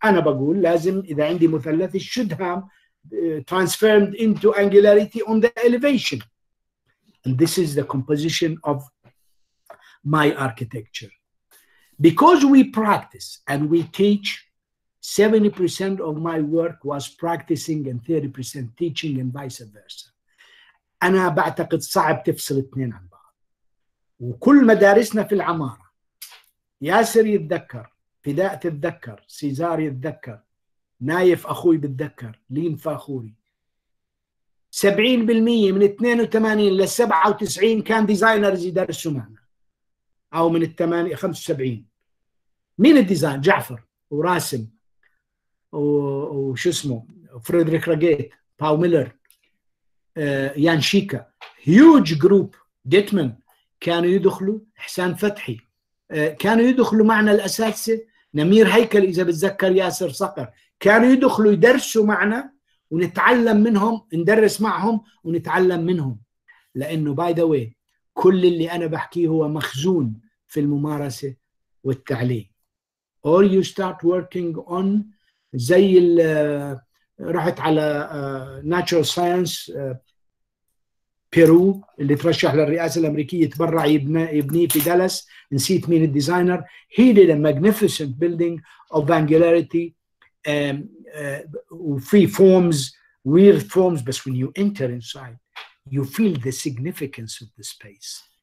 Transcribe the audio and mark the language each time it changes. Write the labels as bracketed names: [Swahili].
[Arabic] انا بقول لازم اذا عندي مثلث [English] it should have transformed into angularity on the elevation and this is the composition of my architecture. Because we practice and we teach, 70% of my work was practicing and 30% teaching and vice versa. [Arabic] أنا بعتقد صعب تفصل اثنين عن بعض. وكل مدارسنا في العمارة، ياسر يتذكر، فداء تتذكر، سيزار يتذكر، نايف أخوي بتذكر، لين فاخوري. 70% من 82 ل97 كان ديزاينرز يدرسوا معنا. أو من 75. مين الديزاين؟ جعفر وراسم وشو اسمه فريدريك راجيت باو ميلر يان شيكا هيوج جروب ديتمن كانوا يدخلوا إحسان فتحي كانوا يدخلوا معنا الأساسة نمير هيكل إذا بتذكر ياسر صقر كانوا يدخلوا يدرسوا معنا ونتعلم منهم ندرس معهم ونتعلم منهم لأنه باي ذا واي كل اللي أنا بحكيه هو مخزون في الممارسة والتعليم. [English] Or you start working on [Arabic] زي ال رحت على [English] natural science Peru [Arabic] اللي ترشح للرئاسة الأمريكية تبرع يبني في دالاس نسيت مين الديزاينر [English] he did a magnificent building of angularity وفي forms weird forms بس when you enter inside you feel the significance of the space.